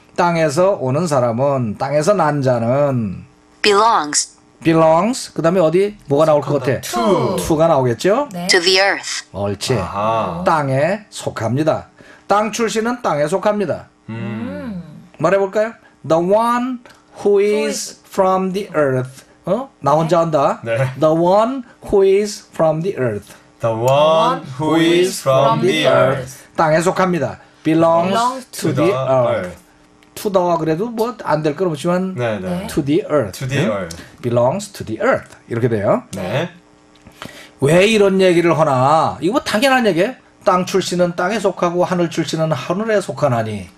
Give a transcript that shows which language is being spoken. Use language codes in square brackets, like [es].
[ko] 땅에서 오는 사람은 땅에서 난 자는 [en] belongs. [ko] 그다음에 어디 뭐가 나올 것 같아? [en] To가 [ko] 나오겠죠? [en] 네. To the earth. [ko] 옳지. 아하. 땅에 속합니다. 땅 출신은 땅에 속합니다. 말해볼까요? [en] The one who is from the earth. [ko] 어? 나 혼자 한다. 네. [en] The one who is from the earth. The one who is from the earth. [ko] 땅에 속합니다. [en] Belongs to the earth. To the [ko] 그래도 뭐 안 될 건 없지만 네, 네. [en] To the earth. To the earth. Belongs to the earth. [ko] 이렇게 돼요. 네. 왜 이런 얘기를 하나? 이거 뭐 당연한 얘기예요. 땅 출신은 땅에 속하고 하늘 출신은 하늘에 속하나니.